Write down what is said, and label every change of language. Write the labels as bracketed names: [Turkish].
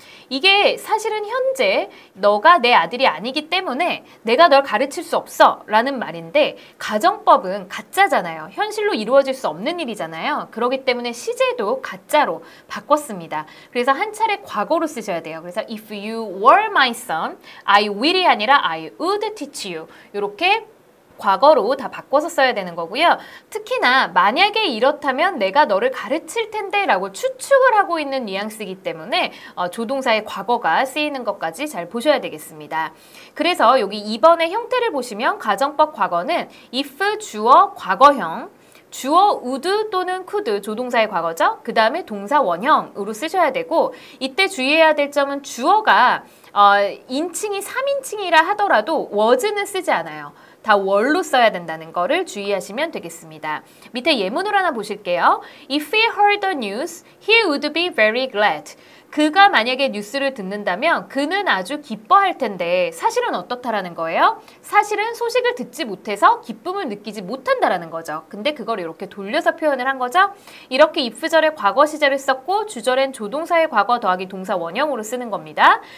[Korean] 이게 사실은 현재 너가 내 아들이 아니기 때문에 내가 널 가르칠 수 없어 라는 말인데 가정법은 가짜잖아요. 현실로 이루어질 수 없는 일이잖아요. 그렇기 때문에 시제도 가짜로 바꿨습니다. 그래서 한 차례 과거로 쓰셔야 돼요. 그래서 [English] If you were my son, I will이 아니라 I would teach you. [Korean] 이렇게 과거로 다 바꿔서 써야 되는 거고요. 특히나 만약에 이렇다면 내가 너를 가르칠 텐데 라고 추측을 하고 있는 뉘앙스이기 때문에 조동사의 과거가 쓰이는 것까지 잘 보셔야 되겠습니다. 그래서 여기 2번의 형태를 보시면 가정법 과거는 if 주어 과거형, 주어 would 또는 could 조동사의 과거죠. 그 다음에 동사 원형으로 쓰셔야 되고 이때 주의해야 될 점은 주어가 인칭이 3인칭이라 하더라도 was는 쓰지 않아요. 다 were로 써야 된다는 거를 주의하시면 되겠습니다. 밑에 예문을 하나 보실게요. [English] If he heard the news, he would be very glad. [Korean] 그가 만약에 뉴스를 듣는다면 그는 아주 기뻐할 텐데 사실은 어떻다라는 거예요? 사실은 소식을 듣지 못해서 기쁨을 느끼지 못한다라는 거죠. 근데 그걸 이렇게 돌려서 표현을 한 거죠. 이렇게 if절에 과거 시제를 썼고 주절엔 조동사의 과거 더하기 동사 원형으로 쓰는 겁니다.